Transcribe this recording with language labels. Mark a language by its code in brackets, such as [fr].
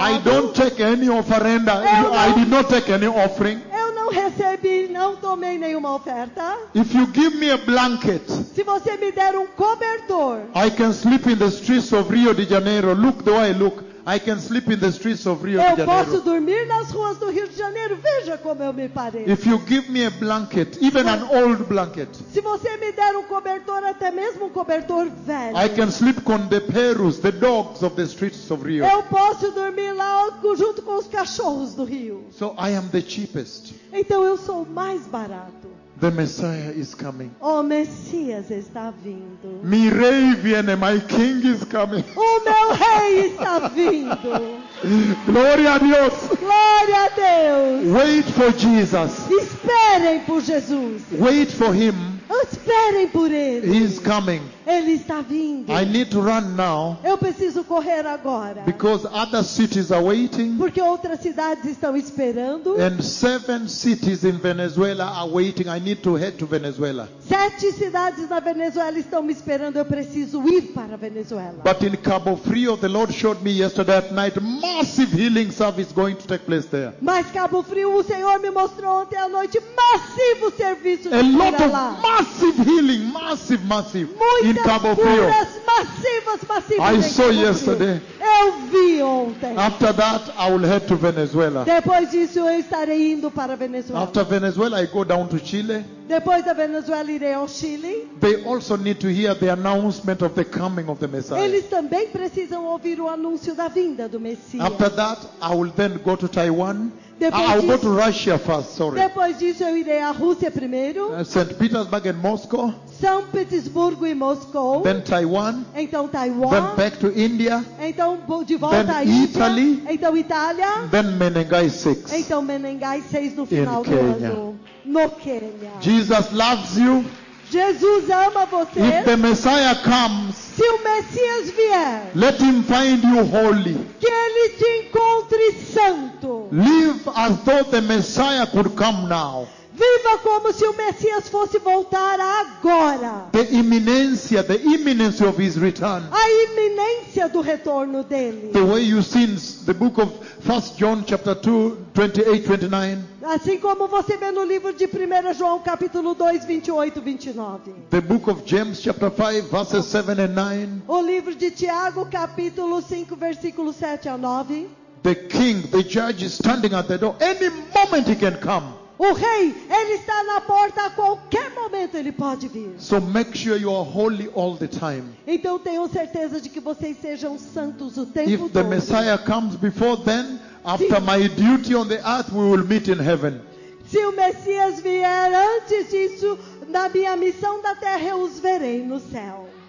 [en] I don't take any offering. I did not take any offering. [pt] Não recebi, não tomei nenhuma oferta. [en] If you give me a blanket, [pt] se você me der cobertor, [en] I can sleep in the streets of Rio de Janeiro. Look the way I look. I can sleep in the streets of Rio de Janeiro. [pt] Eu posso dormir nas ruas do Rio de Janeiro. Veja como eu me pareço. [en] If you give me a blanket, even an old blanket, [pt] se você me der cobertor, até mesmo cobertor velho, [en] I can sleep con the perros, the dogs of the streets of Rio. [pt] Eu posso dormir lá junto com os cachorros do Rio. [en] So I am the cheapest. [pt] Então eu sou mais barato. [en] The Messiah is coming. [pt] O Messias está vindo. [es] Mi rei viene, [en] my king is coming. [pt] O meu rei está vindo. Glória a Deus. Glória a Deus. [en] Wait for Jesus. [pt] Esperem por Jesus. [en] Wait for him. [pt] Esperem por ele. [en] He's coming. [pt] Ele está vindo. [en] I need to run now. [pt] Eu preciso correr agora. [en] Because other cities are waiting. [pt] Porque outras cidades estão esperando. [en] And 7 cities in Venezuela are waiting. I need to head to Venezuela. [pt] 7 cidades na Venezuela estão me esperando. Eu preciso ir para a Venezuela. [en] But in Cabo Frio, the Lord showed me yesterday at night, massive healing service going to take place there. [pt] Mas Cabo Frio, o Senhor me mostrou ontem à noite, massivo serviço de cura lá. [en] A lot of massive healing, massive. [pt] Muitas [en] in Cabo Frio. [pt] Massivas [en] I saw yesterday. [pt] Eu vi ontem. [en] After that, I will head to Venezuela. [pt] Depois disso, eu estarei indo para Venezuela. [en] After Venezuela, I go down to Chile. [pt] Depois da Venezuela, irei ao Chile. [en] They also need to hear the announcement of the coming of the Messiah. [pt] Eles também precisam ouvir o anúncio da vinda do Messias. [en] After that, I will then go to Taiwan. I'll go to Russia first, sorry. [pt] Depois disso, eu irei à Rússia primeiro. [en] St. Petersburg and Moscow. [pt] São Petersburgo e Moscou. [en] Then Taiwan. [pt] Então Taiwan. [en] Then back to India. [pt] Então de volta [en] then [pt] à Índia. [en] Italy. [pt] Então Itália. [en] Then Menengai 6. [pt] Então Menengai 6 no final [en] in Kenya. [pt] Do ano. No Quênia. [en] Jesus loves you. [pt] Jesus ama você. [en] If the Messiah comes, [pt] se o Messias vier, [en] let him find you holy. [pt] Que ele te encontre santo. [en] Live as though the Messiah could come now. [pt] Viva como se o Messias fosse voltar agora. [en] The imminency of his return. [pt] A iminência do retorno dele. [en] The way you see in the book of 1 John chapter 2, 28, 29. [pt] Assim como você vê no livro de 1 João, capítulo 2, 28, 29. [en] The book of James, chapter 5, verses 7 and 9. [pt] O livro de Tiago, capítulo 5, versículo 7 a 9. [en] The king, the judge is standing at the door. Any moment he can come. [pt] O rei, ele está na porta, a qualquer momento ele pode vir. [en] So make sure you are holy all the time. [pt] Então tenham certeza de que vocês sejam santos o tempo todo. [en] If the Messiah comes before then, after my duty on the earth, we will meet in heaven. [pt] Se o Messias vier antes disso, na minha missão da terra, eu os verei no céu.